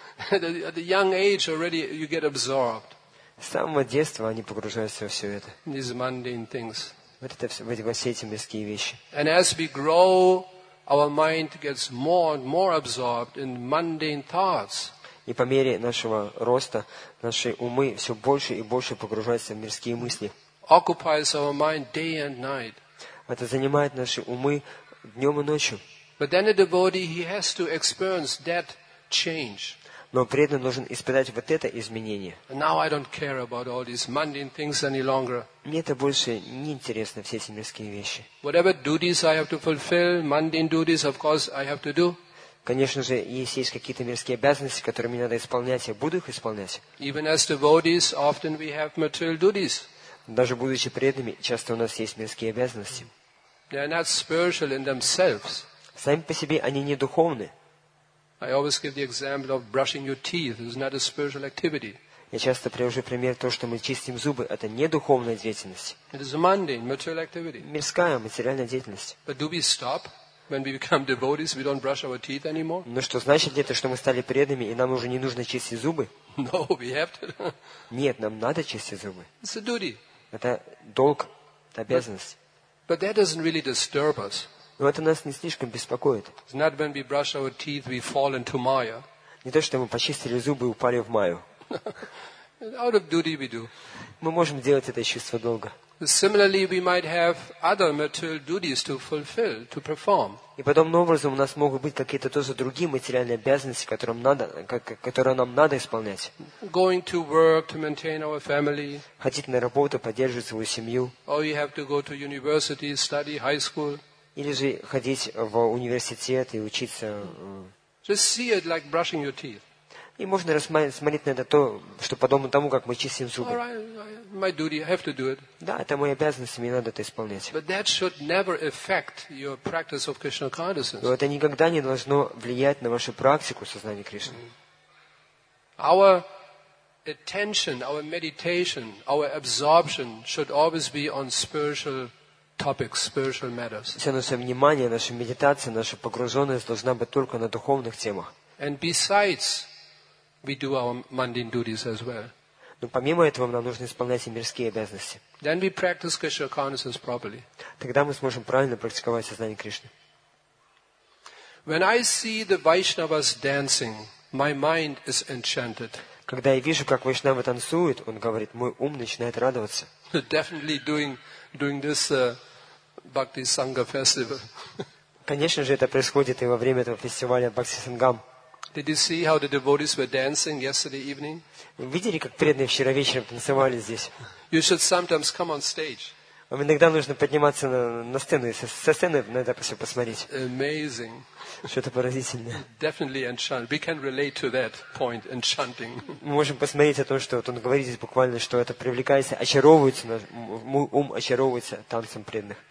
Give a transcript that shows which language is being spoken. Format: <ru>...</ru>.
<en>At a young age already you get absorbed.</en> <ru>С самого детства они погружаются во все это.</ru> <en>These mundane things.</en> <ru>Вот это все эти мирские вещи.</ru> <en>And as we grow, our mind gets more and more absorbed in mundane thoughts.</en> <ru>И по мере нашего роста наши умы все больше и больше погружаются в мирские мысли.</ru> <en>Occupies our mind day and night.</en> <ru>Это занимает наши умы днем и ночью.</ru> <en>But then a devotee, he has to experience that change.</en> <ru>Но преданный должен испытать вот это изменение. Мне это больше не интересно, все эти мирские вещи.</ru> <en>Whatever duties I have to fulfill, mundane duties, of course, I have to do.</en> <ru>Конечно же, если есть какие-то мирские обязанности, которые мне надо исполнять, я буду их исполнять.</ru> <en>Even as devotees, often we have material duties.</en> <ru>Даже будучи преданными, часто у нас есть мирские обязанности.</ru> <en>They are not spiritual in themselves.</en> <ru>Сами по себе они не духовны.</ru> <en>I always give the example of brushing your teeth. It's not a spiritual activity.</en> <ru>Я часто привожу пример то, что мы чистим зубы, это не духовная деятельность.</ru> <en>It is a mundane, material activity.</en> <ru>Мирская, материальная деятельность.</ru> <en>But do we stop when we become devotees? We don't brush our teeth anymore?</en> <ru>Ну что значит это, что мы стали преданными и нам уже не нужно чистить зубы?</ru> <en>No, we have to.</en> <ru>Нет, нам надо чистить зубы.</ru> <en>It's a duty.</en> <ru>Это долг, это обязанность.</ru> <en>But that doesn't really disturb us.</en> <ru>Но это нас не слишком беспокоит.</ru> <en>It's not when we brush our teeth, we fall into Maya.</en> <ru>Не то, что мы почистили зубы и упали в Маю.</ru> <en>Out of duty we do.</en> <ru>Мы можем делать это чувство долга.</ru> <en>Similarly, we might have other material duties to fulfill, to perform.</en> <ru>И подобным образом у нас могут быть какие-то тоже другие материальные обязанности, которые нам надо исполнять.</ru> <en>Going to work to maintain our family.</en> <ru>Ходить на работу, поддерживать свою семью.</ru> <en>Or you have to go to university, study high school.</en> <ru>Или же ходить в университет и учиться.</ru> <en>Just see it like brushing your teeth.</en> <ru>И можно рассмотреть на это то, что подобно тому, как мы чистим зубы.</ru> <en>My duty, I have to do it.</en> <ru>Да, это моя обязанность, мне надо это исполнять.</ru> <en>But that should never affect your practice of Krishna consciousness.</en> <ru>Но это никогда не должно влиять на вашу практику сознания Кришны.</ru> <en>Our attention, our meditation, our absorption should always be on spiritual topics, spiritual matters.</en> <ru>Все наше внимание, наша медитация, наша погруженность должна быть только на духовных темах.</ru> <en>And besides, we do our mundane duties as well.</en> <ru>Но помимо этого, нам нужно исполнять и мирские обязанности.</ru> <en>Then we practice Krishna consciousness properly.</en> <ru>Тогда мы сможем правильно практиковать сознание Кришны.</ru> <en>When I see the Vaishnavas dancing, my mind is enchanted.</en> <ru>Когда я вижу, как Вайшнавы танцуют, он говорит, мой ум начинает радоваться.</ru> <en>Definitely doing this Bhakti Sangha festival.</en> <ru>Конечно же, это происходит и во время этого фестиваля Бхакти Сангам.</ru> <en>Did you see how the devotees were dancing yesterday evening?</en> <ru>Вы видели, как преданные вчера вечером танцевали здесь?</ru> <en>You should sometimes come on stage.</en> <ru>Вам иногда нужно подниматься на сцену и со сцены на это все посмотреть.</ru> <en>Amazing.</en> <ru>Что-то поразительное.</ru> <en>Definitely enchanting. We can relate to that point, enchanting.</en> <ru>Мы можем посмотреть о том, что вот он говорит здесь буквально, что это привлекается, очаровывается, мой ум очаровывается танцем преданных.</ru>